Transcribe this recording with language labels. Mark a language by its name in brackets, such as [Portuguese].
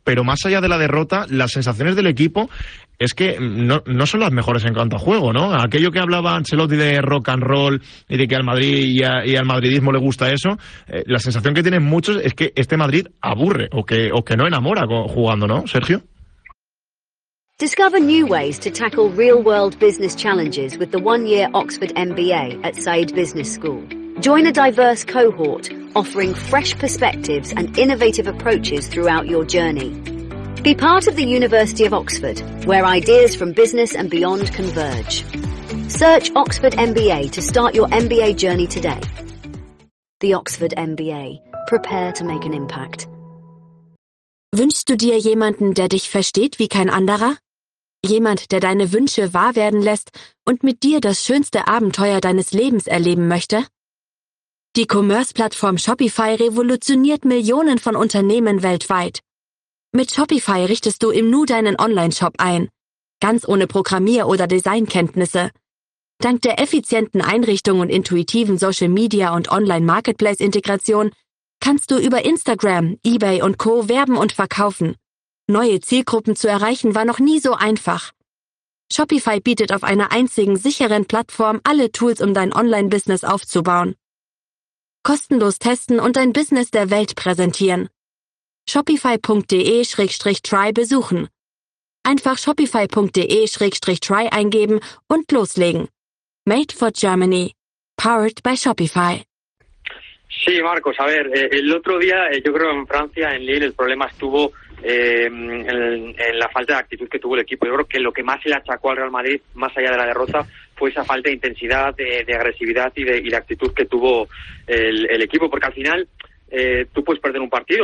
[Spanish] Pero más allá de la derrota, las sensaciones del equipo es que no son las mejores en cuanto a juego, ¿no? Aquello que hablaba Ancelotti de rock and roll y de que al Madrid y al madridismo le gusta eso, la sensación que tienen muchos es que este Madrid aburre o que no enamora jugando, ¿no, Sergio? [English] Discover new ways to tackle real-world business challenges with the one-year Oxford MBA at Said Business School. Join a diverse cohort offering fresh perspectives and innovative approaches throughout your journey. Be part of the University of Oxford, where ideas from business and beyond converge. Search Oxford MBA to start your MBA journey today. The Oxford MBA. Prepare to make an impact. [German] Wünschst du dir jemanden, der dich versteht wie kein anderer? Jemand, der deine Wünsche wahr werden lässt und mit dir das schönste Abenteuer deines Lebens erleben möchte? Die Commerce-Plattform Shopify revolutioniert Millionen von Unternehmen weltweit. Mit Shopify richtest du im Nu deinen Online-Shop ein. Ganz ohne Programmier- oder Designkenntnisse. Dank der effizienten Einrichtung und intuitiven Social-Media- und Online-Marketplace-Integration kannst du über Instagram, eBay und Co. werben und verkaufen. Neue Zielgruppen zu erreichen war noch nie so einfach. Shopify bietet auf einer einzigen sicheren Plattform alle Tools, um dein Online-Business aufzubauen. Kostenlos testen und dein Business der Welt präsentieren. Shopify.de/try besuchen. Einfach Shopify.de/try eingeben und loslegen. Made for Germany. Powered by Shopify. [Spanish] Sí, Marcos, a ver, el otro día, yo creo en Francia, en Lille, el problema estuvo en la falta de actitud que tuvo el equipo. Yo creo que lo que más se le achacó al Real Madrid, más allá de la derrota, fue esa falta de intensidad, de agresividad y de actitud que tuvo el equipo, porque al final tú puedes perder un partido.